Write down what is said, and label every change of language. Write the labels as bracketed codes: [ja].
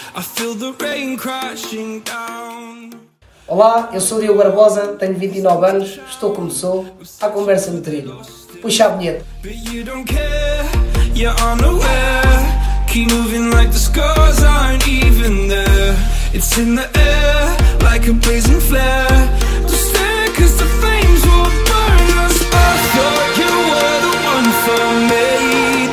[en] I feel the rain crashing down. [pt] Olá, eu sou o Diogo Barbosa, tenho 29 anos, estou como sou, à conversa no trilho. Puxa a vinheta. [en] But you don't care, you're unaware. Keep moving like the scars aren't even there. It's in the air, like a blazing flare. Don't stare, cause the flames will burn us. I thought you were the one for me.